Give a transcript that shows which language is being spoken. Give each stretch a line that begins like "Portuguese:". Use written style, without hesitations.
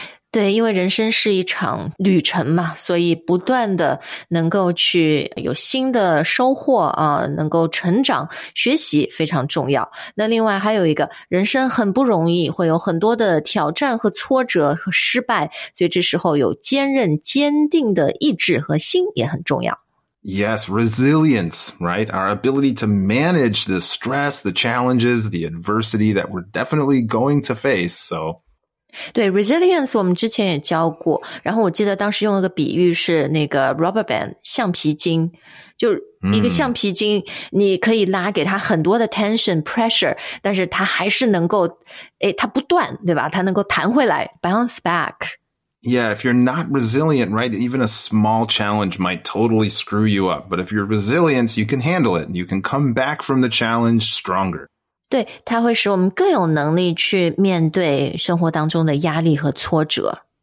Chinese: 对，因为人生是一场旅程嘛，所以不断的能够去有新的收获啊，能够成长学习非常重要。那另外还有一个，人生很不容易，会有很多的挑战和挫折和失败，所以这时候有坚韧坚定的意志和心也很重要。
English: Yes, resilience, right? Our ability to manage the stress, the challenges, the adversity that we're definitely going to face, so...
Chinese: 对 resilience 我们之前也教过，然后我记得当时用了个比喻是那个 rubber band 橡皮筋，就一个橡皮筋，你可以拉给它很多的 tension pressure， 但是它还是能够，哎，它不断，对吧？它能够弹回来
English: bounce back。 Yeah, if you're not resilient, right, even a small challenge might totally screw you up. But if you're resilient, you can handle it. You can come back from the challenge stronger.
Chinese: 对，它会使我们更有能力去面对生活当中的压力和挫折。